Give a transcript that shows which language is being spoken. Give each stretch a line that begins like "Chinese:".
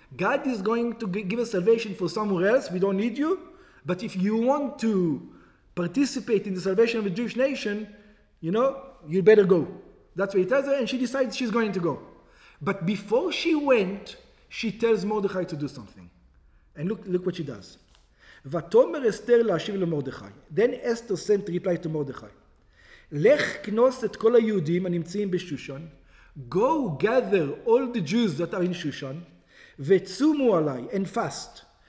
English: God is going to give us salvation for somewhere else. We don't need you. But if you want to participate in the salvation of the Jewish nation, you know, you better go. That's what he tells her, and she decides she's going to go. But before she went, she tells Mordechai to do something. And look what she does.
Hebrew: ותאמר אסתר להשיב למרדכי.
English: Then Esther sent reply to Mordechai.
Hebrew: לך כנוס את כל היהודים הנמצאים בשושן.
English: Go gather all the Jews that are in Shushan.
Hebrew: וצומו עליי
English: and fast.